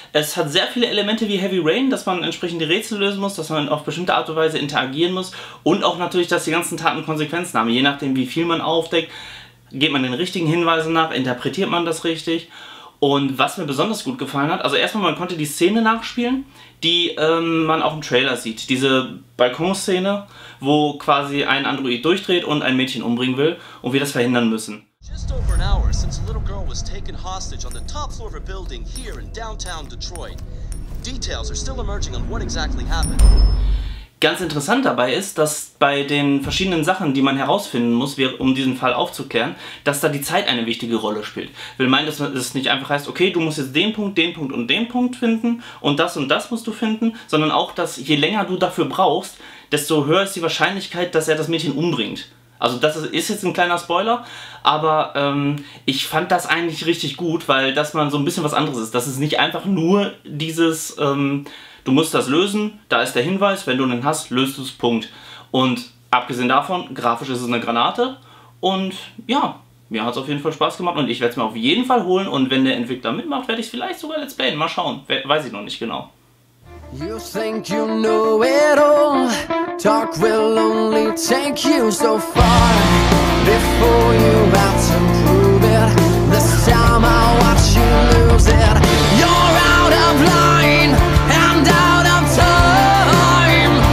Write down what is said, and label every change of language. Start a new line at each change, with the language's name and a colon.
German: Es hat sehr viele Elemente wie Heavy Rain, dass man entsprechende Rätsel lösen muss, dass man auf bestimmte Art und Weise interagieren muss und auch natürlich, dass die ganzen Taten Konsequenzen haben. Je nachdem, wie viel man aufdeckt, geht man den richtigen Hinweisen nach, interpretiert man das richtig. Und was mir besonders gut gefallen hat, also erstmal, man konnte die Szene nachspielen, die man auch im Trailer sieht. Diese Balkonszene, wo quasi ein Android durchdreht und ein Mädchen umbringen will und wir das verhindern müssen.
English: Just over an hour since a little girl was taken hostage on the top floor of a building here in downtown Detroit. Details are still emerging on what exactly happened.
German: ganz interessant dabei ist, dass bei den verschiedenen Sachen, die man herausfinden muss, um diesen Fall aufzuklären, dass da die Zeit eine wichtige Rolle spielt. Will meinen, dass es nicht einfach heißt, okay, du musst jetzt den Punkt und den Punkt finden und das musst du finden, sondern auch, dass je länger du dafür brauchst, desto höher ist die Wahrscheinlichkeit, dass er das Mädchen umbringt. Also das ist jetzt ein kleiner Spoiler, aber ich fand das eigentlich richtig gut, weil das mal so ein bisschen was anderes ist. Das ist nicht einfach nur dieses, du musst das lösen, da ist der Hinweis, wenn du einen hast, löst du es, Punkt. Und abgesehen davon, grafisch ist es eine Granate und ja, mir hat es auf jeden Fall Spaß gemacht und ich werde es mir auf jeden Fall holen und wenn der Entwickler mitmacht, werde ich es vielleicht sogar let's playen, mal schauen, weiß ich noch nicht genau.
English: You think you know it all, talk will only take you so far. Before you about to prove it, this time I watch you lose it. You're out of line and out of time.